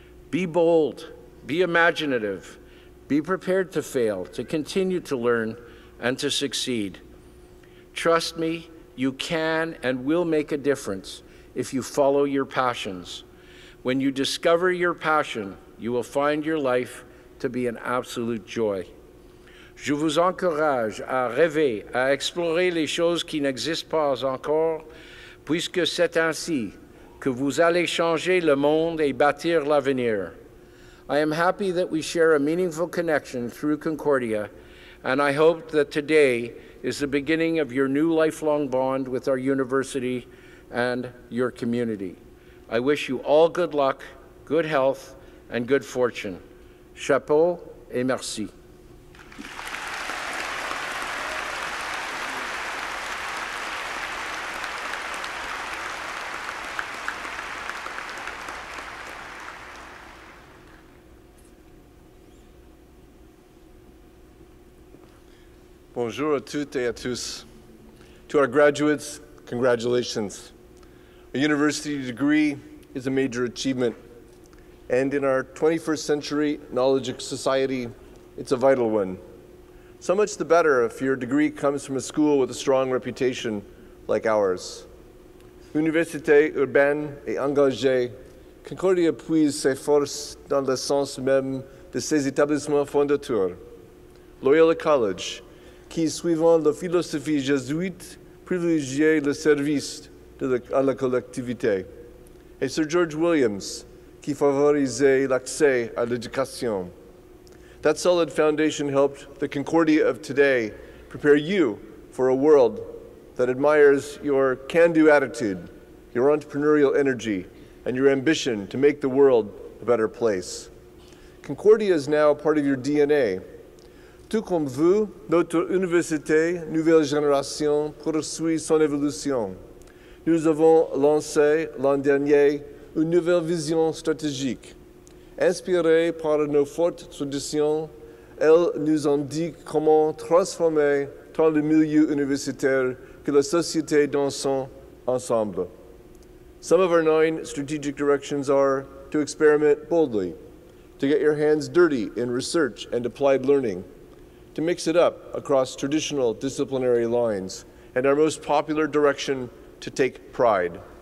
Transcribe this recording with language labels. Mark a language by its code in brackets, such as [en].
[en] Be bold, be imaginative, be prepared to fail, to continue to learn, and to succeed. Trust me, you can and will make a difference if you follow your passions. When you discover your passion, you will find your life to be an absolute joy. [fr] Je vous encourage à rêver, à explorer les choses qui n'existent pas encore, puisque c'est ainsi que vous allez changer le monde et bâtir l'avenir. [en] I am happy that we share a meaningful connection through Concordia, and I hope that today is the beginning of your new lifelong bond with our university and your community. I wish you all good luck, good health, and good fortune. [fr] Chapeau et merci. Bonjour à toutes et à tous. [en] To our graduates, congratulations. A university degree is a major achievement. And in our 21st century knowledge society, it's a vital one. So much the better if your degree comes from a school with a strong reputation like ours. [fr] Université urbaine et engagée, Concordia puise ses forces dans le sens même de ses établissements fondateurs. Loyola College, qui suivant la philosophie jésuite, privilégie le service à la collectivité. Et Sir George Williams, qui favorisait l'accès à l'éducation. [en] That solid foundation helped the Concordia of today prepare you for a world that admires your can-do attitude, your entrepreneurial energy, and your ambition to make the world a better place. Concordia is now part of your DNA. [fr] Tout comme vous, notre université nouvelle génération poursuit son évolution. Nous avons lancé l'an dernier une nouvelle vision stratégique. Inspirée par nos fortes traditions, elle nous indique comment transformer tant le milieu universitaire que la société dans son ensemble. [en] Some of our 9 strategic directions are to experiment boldly, to get your hands dirty in research and applied learning, to mix it up across traditional disciplinary lines, and our most popular direction, to take pride.